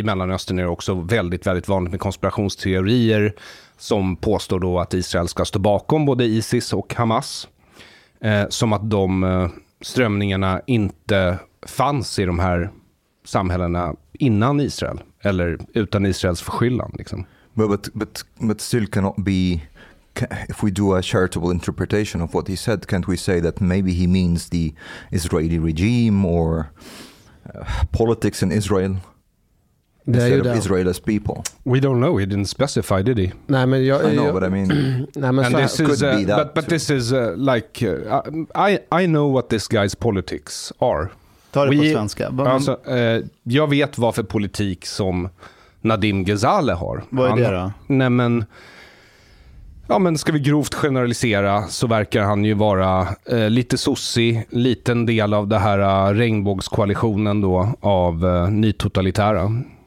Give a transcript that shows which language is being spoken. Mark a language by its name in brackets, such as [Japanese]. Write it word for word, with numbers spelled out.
[Swedish] I Mellanöstern är det också väldigt, väldigt vanligt med konspirationsteorier som påstår då att Israel ska stå bakom både ISIS och Hamas. Eh, som att de... Eh, strömningarna inte fanns i de här samhällena innan Israel eller utan Israels förskyllan liksom. [English] But, but, but, but still cannot be, if we do a charitable interpretation of what he said, can't we say that maybe he means the Israeli regime or uh, politics in Israel instead of Israel as people? We don't know, he didn't specify, did he? [Swedish] Nej, men jag, [English] I know, [Swedish] jag, [English] but I mean [Swedish] nej, men [English] and [Swedish] så [English] this is, uh, but, but this is uh, like uh, I, I know what this guy's politics are. [Swedish] Ta det We, på svenska. Var, alltså, uh, jag vet vad för politik som Nadim Ghazale har. Vad är det då? Nej, men Ja men ska vi grovt generalisera så verkar han ju vara eh, lite sossig, liten del av det här uh, regnbågskoalitionen då av uh, nytotalitära.